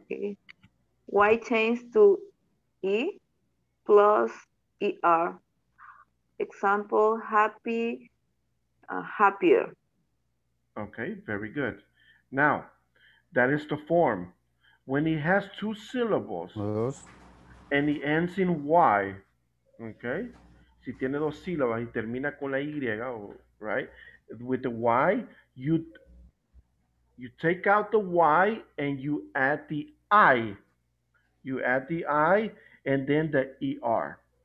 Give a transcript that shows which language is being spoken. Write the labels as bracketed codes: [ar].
[en] Okay. Y changes to E plus ER. Example, happy happier. Okay, very good. Now, that is the form. When it has two syllables and it ends in Y, okay? [es] Si tiene dos sílabas y termina con la Y, right? [en] With the Y, you take out the Y and you add the I. You add the I and then the ER.